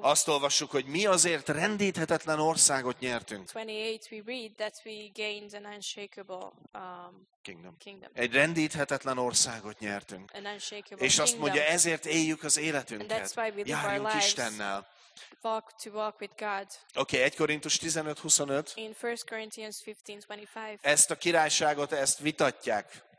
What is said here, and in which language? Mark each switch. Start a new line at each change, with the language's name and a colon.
Hungarian: azt olvassuk, hogy mi azért rendíthetetlen országot nyertünk.
English: 28, we read that we gained an unshakable kingdom.
Hungarian: Egy rendíthetetlen országot nyertünk.
English: An unshakable
Hungarian: és azt
English: kingdom.
Hungarian: Mondja, ezért éljük az életünket. Járjunk Istennel.
English: Walk with God.
Hungarian: Okay, 1 Korintus 15:25.
English: In 1 Corinthians 15:25.
Hungarian: Ezt a királyságot, ezt vitatják.